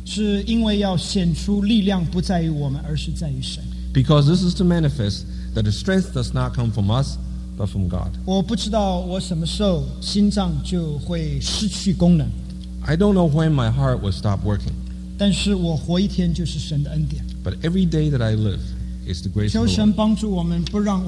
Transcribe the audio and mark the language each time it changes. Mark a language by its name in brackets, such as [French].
[Chinese] 是因为要显出力量不在于我们，而是在于神。 [English] Because this is to manifest that the strength does not come from us, but from God. [Chinese] 我不知道我什么时候心脏就会失去功能。 [English] I don't know when my heart will stop working. [Chinese] 但是我活一天就是神的恩典。 [English] But every day that I live is the grace of the Lord.